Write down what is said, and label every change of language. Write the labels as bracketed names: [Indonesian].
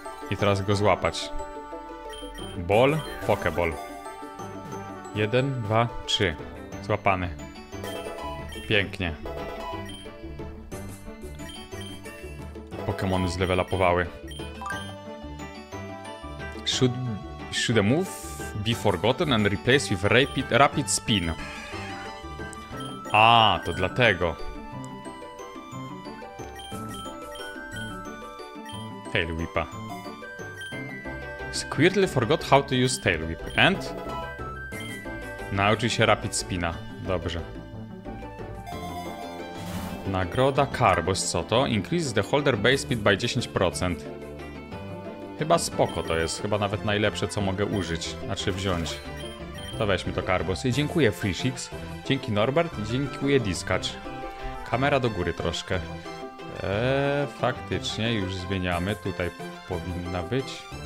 [Polish] I teraz go złapać. Ball, Pokeball. 1, 2, 3. Złapany. Pięknie. Pokemony zlevelapowały. [English] Should a move be forgotten and replaced with rapid spin. [Polish] A, to dlatego. [English] Tail Whip'a. Squirtle forgot how to use Tail Whip. And? [Polish] Nauczy się rapid spina. Dobrze. Nagroda Carbos, co to? [English] Increases the holder base speed by 10%. [Polish] Chyba spoko to jest. Chyba nawet najlepsze, co mogę użyć. Znaczy wziąć. To weźmy to Carbos. I dziękuję Fishix. Dzięki Norbert. Dziękuję Discatch. Kamera do góry troszkę. Faktycznie już zmieniamy. Tutaj powinna być.